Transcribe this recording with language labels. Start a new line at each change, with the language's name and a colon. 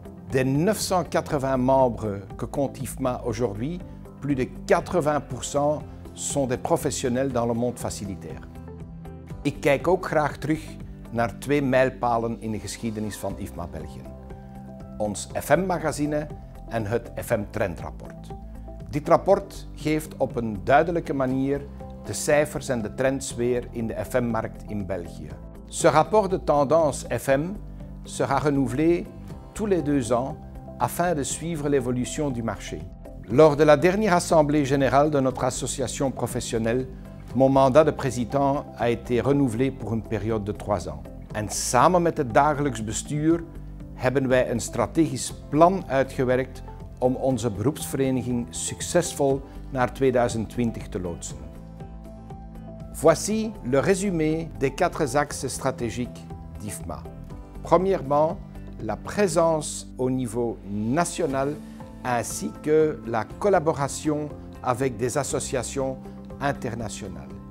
French: De 980 membres que compte IFMA aujourd'hui, plus de 80% sont des professionnels dans le monde facilitaire.
Dutch: Ik kijk ook graag terug naar twee mijlpalen in de geschiedenis van IFMA België. Ons FM-magazine en het FM-trendrapport. Dit rapport geeft op een duidelijke manier de cijfers en de trends weer in de FM-markt in België.
French: Ce rapport de tendance FM sera renouvelé tous les deux ans afin de suivre l'évolution du marché. Lors de la dernière assemblée générale de notre association professionnelle, mon mandat de président a été renouvelé pour une période de 3 ans.
Dutch: En samen met het dagelijks bestuur hebben wij een strategisch plan uitgewerkt om onze beroepsvereniging succesvol naar 2020 te loodsen.
French: Voici le résumé des 4 axes stratégiques d'IFMA. Premièrement, la présence au niveau national ainsi que la collaboration avec des associations internationales.